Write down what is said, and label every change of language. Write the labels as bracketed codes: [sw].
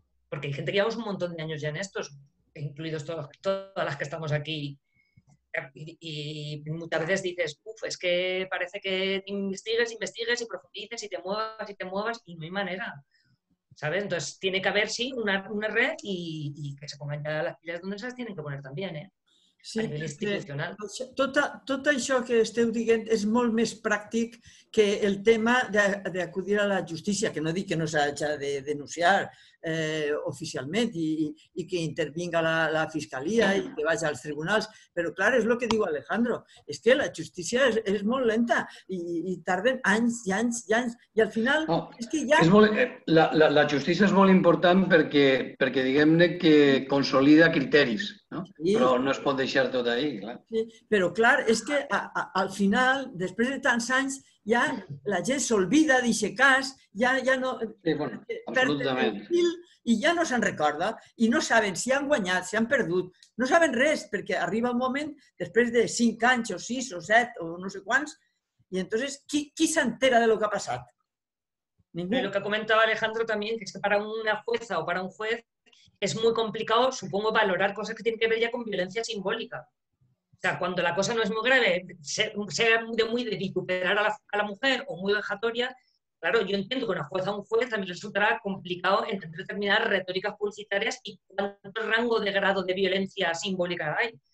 [es] Porque hay gente que llevamos un montón de años ya en estos, incluidos todas las que estamos aquí. Y muchas veces dices, uff, es que parece que investigues y profundices y te muevas y no hay manera. ¿sabes? Entonces, tiene que haber, sí, una red y que se pongan ya las pilas donde se las tienen que poner también, ¿eh? [ca] Sí, tot això que esteu dient és molt més pràctic que el tema d'acudir a la justícia, que no dic que no s'hagi de denunciar oficialment i que intervinga la fiscalia i que vagi als tribunals, però clar, és el que diu Alejandro, és que la justícia és molt lenta i tarden anys i anys i anys, i al final és que ja... La justícia és molt important perquè diguem-ne que consolida criteris, però no es pot deixar tot ahí, clar. Però clar, és que al final, després de tants anys, ja la gent s'olvida d'aquest cas, ja no... Sí, bueno, absolutament. I ja no se'n recorda, i no saben si han guanyat, si han perdut, no saben res, perquè arriba un moment, després de 5 anys, o 6, o 7, o no sé quants, i entonces, qui s'entera de lo que ha passat? Ningú. [es] Lo que comentava Alejandro también, que es que para una jueza o para un juez es muy complicado, supongo, valorar cosas que tienen que ver ya con violencia simbólica. O sea, cuando la cosa no es muy grave, sea muy de vituperar a la mujer o muy vejatoria, claro, yo entiendo que una jueza o un juez también resultará complicado entender determinadas retóricas publicitarias y cuánto rango de grado de violencia simbólica hay.